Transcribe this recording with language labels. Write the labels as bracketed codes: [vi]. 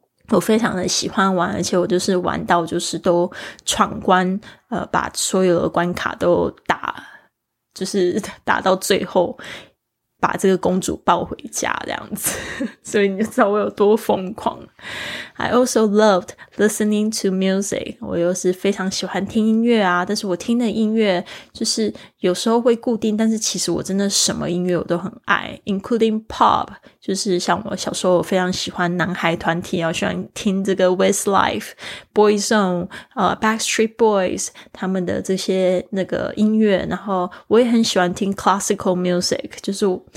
[zh] 我非常的喜欢玩，而且我就是玩到就是都闯关，把所有的关卡都打，就是打到最后，把这个公主抱回家这样子。所以你就知道我有多疯狂。 [en] I also loved listening to music. [zh] 我又是非常喜欢听音乐啊，但是我听的音乐就是有时候会固定，但是其实我真的什么音乐我都很爱， [en] including pop, [zh] 就是像我小时候我非常喜欢男孩团体，我喜欢听这个 Westlife, Boyzone, Backstreet Boys, 他们的这些那个音乐，然后我也很喜欢听 [en] classical music, [zh] 就是